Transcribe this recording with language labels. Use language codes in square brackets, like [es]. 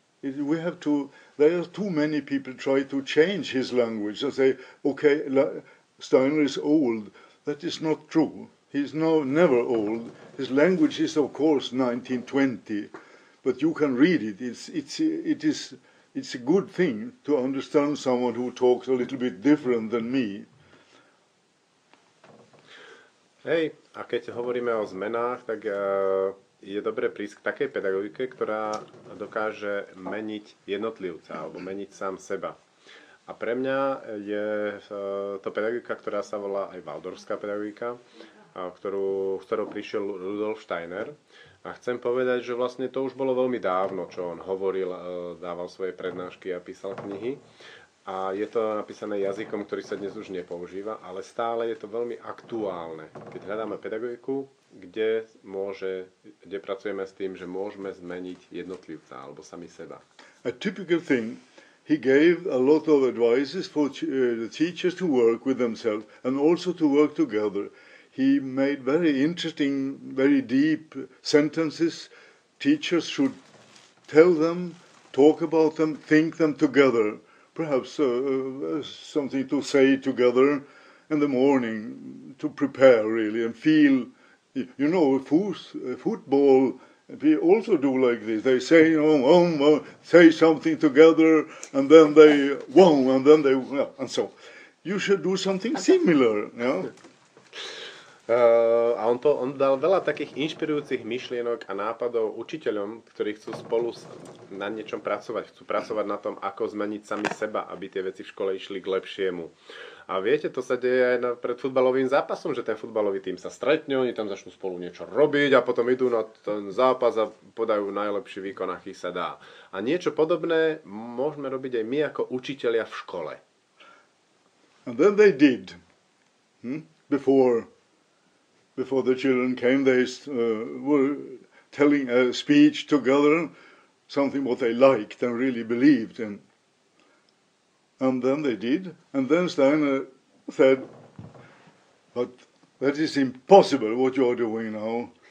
[en] There are too many people try to change his language and say, okay, Steiner is old. That is not true. He's never old. His language is, of course, 1920. But you can read it. It's a good thing to understand someone who talks a little bit different than me. [sk] Hej, a keď hovoríme o zmenách, tak je dobre prísť k takej pedagogike, ktorá dokáže meniť jednotlivca alebo meniť sám seba. A pre mňa je to pedagogika, ktorá sa volá aj Waldorfská pedagogika, ktorou prišiel Rudolf Steiner. A chcem povedať, že vlastne to už bolo veľmi dávno, čo on hovoril, dával svoje prednášky a písal knihy. A je to napísané jazykom, ktorý sa dnes už nepoužíva, ale stále je to veľmi aktuálne. Keď hľadáme pedagogiku, kde pracujeme s tým, že môžeme zmeniť jednotlivca alebo sami seba. [en] A typical thing, he gave a lot of advices for the teachers to work with themselves and also to work together. He made very interesting, very deep sentences. Teachers should tell them, talk about them, think them together. Perhaps something to say together in the morning to prepare, really, and feel. You know, football, we also do like this. They say, say something together, and then they, and so. You should do something similar, you know. [sk] A on dal veľa takých inšpirujúcich myšlienok a nápadov učiteľom, ktorí chcú spolu na niečom pracovať. Chcú pracovať na tom, ako zmeniť sami seba, aby tie veci v škole išli k lepšiemu. A viete, to sa deje aj pred futbalovým zápasom, že ten futbalový tým sa stretne, oni tam začnú spolu niečo robiť a potom idú na ten zápas a podajú najlepší výkon, aký sa dá. A niečo podobné môžeme robiť aj my ako učitelia v škole. [en] And then they did. Before the children came, they were telling a speech together, something what they liked and really believed in. And then they did. And then Steiner said, but that is impossible what you are doing now.